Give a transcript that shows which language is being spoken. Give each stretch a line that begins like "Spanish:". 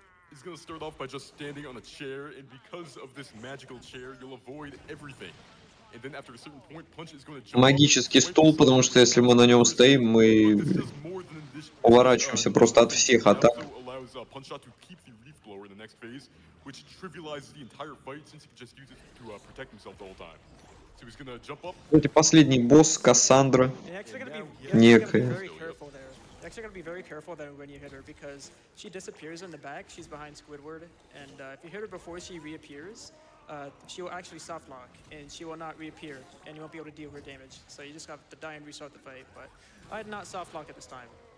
English: He's gonna start off by just standing on a chair, and because of this magical chair, you'll avoid everything. And then after a certain point, Punch is gonna jump.
Russian: Магический стул, потому что если мы на нем стоим, мы уворачиваемся просто от всех атак.
English: He allows Punch to keep the leaf blower in the next phase, which trivializes the entire fight since he can just use it to protect himself the whole time. So he's gonna jump up.
Russian: Это последний босс Кассандра. Некая.
English: Actually gotta be very careful then when you hit her because she disappears in the back, she's behind Squidward, and if you hit her before she reappears, she will actually softlock and she will not reappear and you won't be able to deal her damage. So you just have to die and restart the fight, but I did not softlock at this time.